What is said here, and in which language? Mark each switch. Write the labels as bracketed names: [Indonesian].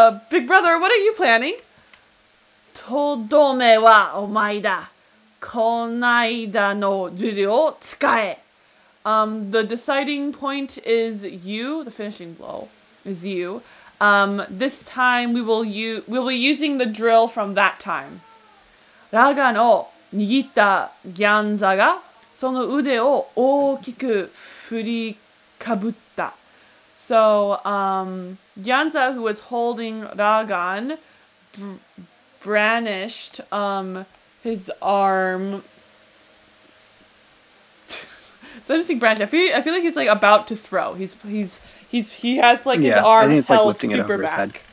[English] Big brother, what are you planning? [Japanese] Todome wa omae da. Konaida no juri o tsukae. [English] The deciding point is you. The finishing blow is you. This time we'll be using the drill from that time. [Japanese] Raga no... 握ったギャンザがその腕を大きく振りかぶった。 [English] So, Gyanza, who was holding Ragan, brandished his arm. It's interesting, brandish. I feel like he's like about to throw. He has like his arm held super back. Yeah, I think it's like lifting it over his head.